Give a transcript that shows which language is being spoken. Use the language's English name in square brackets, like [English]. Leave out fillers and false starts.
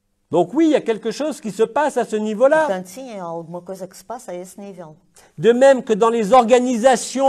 [French] Donc oui, il y a quelque chose qui se passe à ce niveau-là. [Portuguese] Portanto, sim, há alguma coisa que se passa a esse nível. [French] De même que dans les organisations.